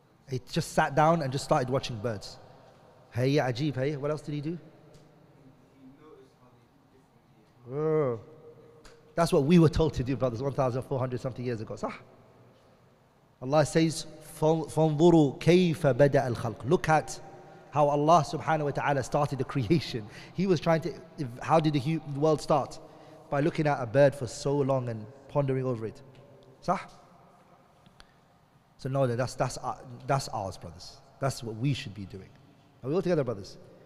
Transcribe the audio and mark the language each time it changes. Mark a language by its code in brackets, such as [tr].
[en] He just sat down and just started watching birds. Hey, ajib, hey? What else did he do? He noticed how That's what we were told to do, brothers, 1,400 something years ago. [ar] صح? [en] Allah says, [ar] فَانْظُرُوا كَيْفَ بَدَأَ الْخَلْقِ. [en] Look at how Allah subhanahu wa ta'ala started the creation. He was trying to, how did the world start? By looking at a bird for so long and pondering over it. [ar] صح? [en] So no, that's ours, brothers. That's what we should be doing. Are we all together, brothers?